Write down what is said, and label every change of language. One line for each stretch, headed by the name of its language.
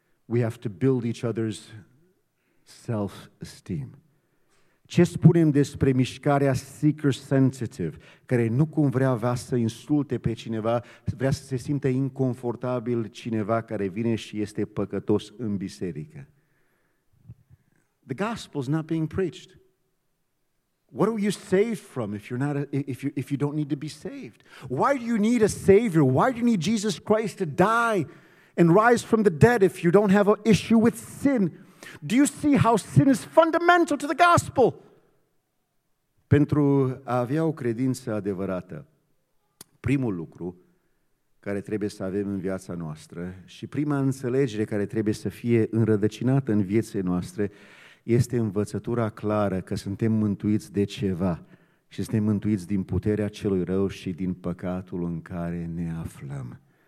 English: We have to build each other's self-esteem.
Romanian: Ce spunem despre mișcarea seeker-sensitive, care nu cum vrea să insulte pe cineva, vrea să se simtă inconfortabil cineva care vine și este păcătos în biserică?
English: The gospel's not being preached. What are you saved from if you don't need to be saved? Why do you need a savior? Why do you need Jesus Christ to die and rise from the dead if you don't have an issue with sin? Do you see how sin is fundamental to the gospel?
Romanian: Pentru a avea o credință adevărată, primul lucru care trebuie să avem în viața noastră și prima înțelegere care trebuie să fie înrădăcinată în viețile noastre este învățătura clară că suntem mântuiți de ceva și suntem mântuiți din puterea celui rău și din păcatul în care ne aflăm.